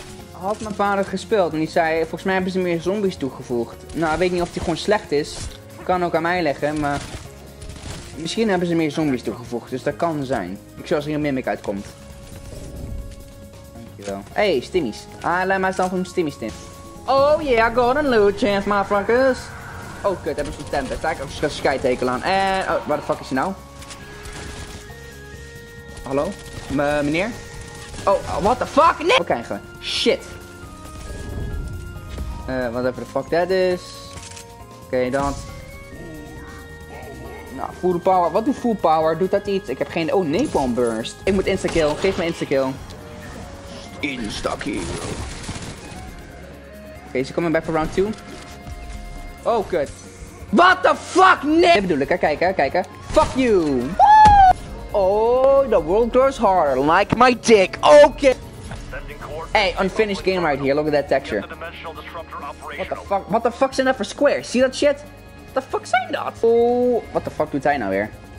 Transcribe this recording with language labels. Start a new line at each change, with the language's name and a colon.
Dutch: Had mijn vader gespeeld en die zei, volgens mij hebben ze meer zombies toegevoegd. Nou, ik weet niet of die gewoon slecht is. Kan ook aan mij liggen, maar... Misschien hebben ze meer zombies toegevoegd, dus dat kan zijn. Ik zal als er een mimic uitkomt. Dankjewel. Hey, stimmies. Ah, laat mij staan voor een stimmies stim.
English: Oh yeah, I got a loot chance, my fuckers.
Dutch: Oh kut, hebben ze een tempest. Daar heb ik een skytekel aan. En, oh, waar de fuck is hij nou? Hallo? Meneer?
English: Oh, what the fuck?
Dutch: Nee! Wat krijgen we? Shit.
English: Whatever the fuck that is.
Dutch: Oké, dat. Nou, full power. Wat doet full power? Doet dat iets? Ik heb geen... Oh, napalm burst. Ik moet instakill. Geef me instakill. Instakill. Oké, ze komen
English: back for round 2.
Dutch: Oh, kut.
English: What the fuck,
Dutch: nee! Dit bedoel ik, kijk.
English: Fuck you! Oh, the world grows harder, like my dick, okay! Hey, unfinished game right here, look at that texture. What the fuck
Dutch: zijn dat voor
English: squares? See that shit? What the fuck
Dutch: zijn dat?
English: Oh, what the fuck
Dutch: doet hij nou weer?